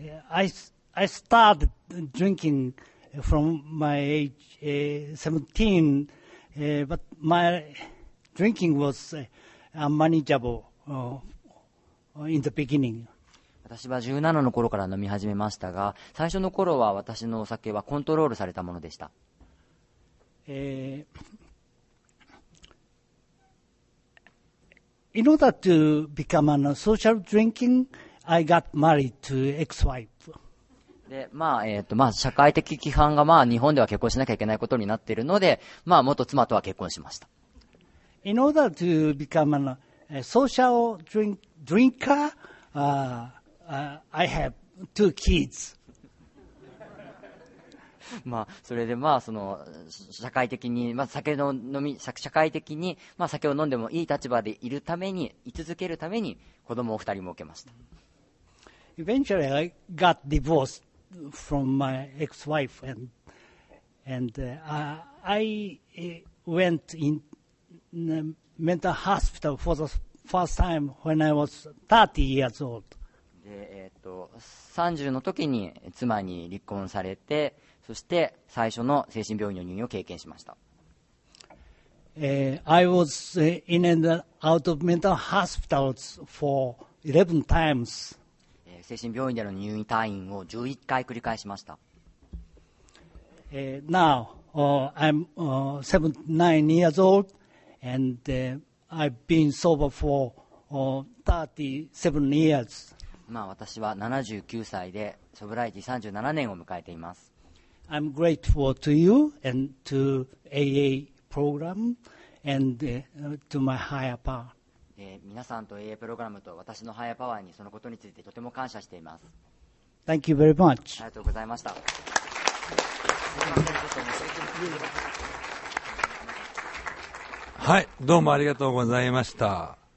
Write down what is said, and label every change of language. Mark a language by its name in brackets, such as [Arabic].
[English] I started drinking from my age 17, but my drinking was unmanageable in the beginning. [Japanese] 私は17の頃から飲み始めましたが、最初の頃は私のお酒はコントロールされたものでした。 [English] In order to become a social drinking, I got married to ex-wife. [Japanese] で、社会的規範が、日本では結婚しなきゃいけないことになっているので、元妻とは結婚しました。 [English] In order to become a social drinker, I have two kids. [Japanese] それで、その、社会的に、酒の飲み、社会的に、酒を飲んでもいい立場でいるために、居続けるために、子供を二人設けました。 [English] Eventually, I got divorced. From my ex-wife and I went in the mental hospital for the first time when I was 30 years old. [Japanese] で、30の時に妻に離婚されて、そして最初の精神病院の入院を経験しました。 [English] I was in and out of mental hospitals for 11 times. [Japanese] 精神病院での入院退院を11回繰り返しました。 [English] Now, I'm 79 years old, and I've been sober for 37 years. [Japanese] 私は79歳で、ソブライティ37年を迎えています。 [English] I'm grateful to you and to AA program and to my higher power. [Japanese] 皆さんと AA プログラムと私のハイアパワーにそのことについてとても感謝しています。 [English] Thank you very much. [Japanese] ありがとうございました。はい、どうもありがとうございました。